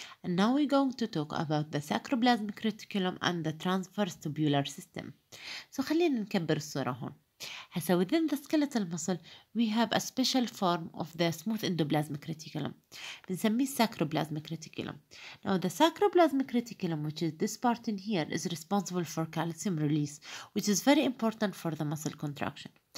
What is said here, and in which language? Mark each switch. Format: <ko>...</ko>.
<en>And now we're going to talk about the sacroplasmic reticulum and the transverse tubular system.</en> <ar>So خلينا نكبر الصورة هون.</ar> <en>So within the skeletal muscle, we have a special form of the smooth endoplasmic reticulum.</en> <ar>بنسميه</ar> <en>sacroplasmic reticulum. Now the sacroplasmic reticulum, which is this part in here, is responsible for calcium release, which is very important for the muscle contraction.</en>